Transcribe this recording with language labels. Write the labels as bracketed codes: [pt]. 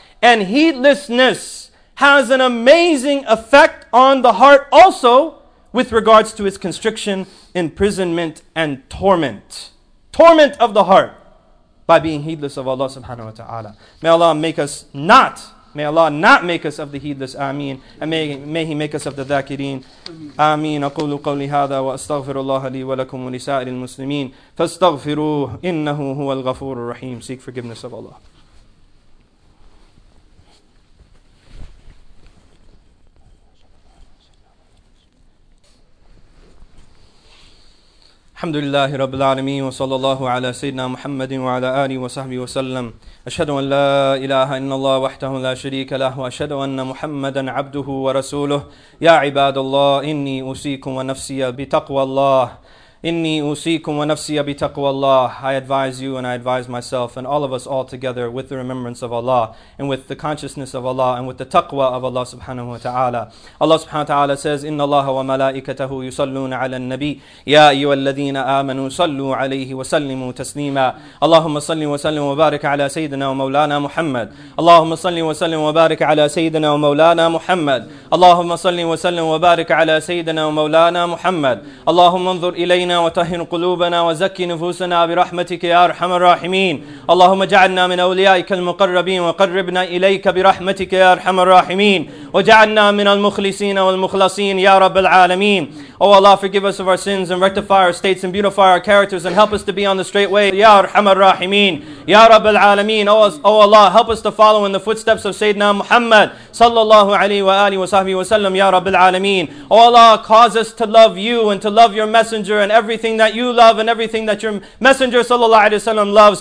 [en] And heedlessness has an amazing effect on the heart also, with regards to its constriction, imprisonment, and torment. Torment of the heart by being heedless of Allah subhanahu wa ta'ala. May Allah not make us of the heedless. Ameen. And may He make us of the dhakireen. Ameen. [ar] أقول قولي هذا وأستغفر الله لي ولكم ولسائر المسلمين فاستغفروه إنه هو الغفور الرحيم. [en] Seek forgiveness of Allah. [ar] الحمد لله رب العالمين وصلى الله على سيدنا محمد وعلى آله وصحبه وسلم أشهد أن لا إله إلا الله وحده لا شريك له وأشهد أن محمدا عبده ورسوله يا عباد الله إني أوصيكم ونفسي بتقوى الله إني أوصيكم ونفسي بتقوى الله. [en] I advise you and I advise myself and all of us all together with the remembrance of Allah and with the consciousness of Allah and with the taqwa of Allah subhanahu wa ta'ala. Allah subhanahu wa ta'ala says, [ar] إِنَّ اللَّهَ وَمَلَائِكَتَهُ يُصَلُّونَ عَلَى النَّبِيِّ يَا أَيُّهَا الَّذِينَ آمَنُوا صَلُّوا عَلَيْهِ وَسَلِّمُوا تَسْلِيمًا. اللهم صل وسلم وبارك على سيدنا ومولانا محمد. اللهم صل وسلم وبارك على سيدنا ومولانا محمد. اللهم صل وسلم وبارك على سيدنا ومولانا محمد. اللهم انظر إلي وطهن قلوبنا وزك نفوسنا برحمتك يا أرحم الراحمين. اللهم اجعلنا من أوليائك المقربين وقربنا إليك برحمتك يا أرحم الراحمين. وجعلنا من المخلصين والمخلصين يا رب العالمين. [en] Oh Allah, forgive us of our sins and rectify our states and beautify our characters and help us to be on the straight way. [ar] Ya Arhamar Rahimeen, Ya Rabb Al Alameen. [en] Oh Allah, help us to follow in the footsteps of Sayyidina Muhammad [ar] sallallahu alayhi wa alihi wa sahbihi wa sallam, [en] Ya Rabb Al Alameen. Oh Allah, cause us to love you and to love your messenger and everything that you love and everything that your messenger sallallahu alayhi wa sallam loves.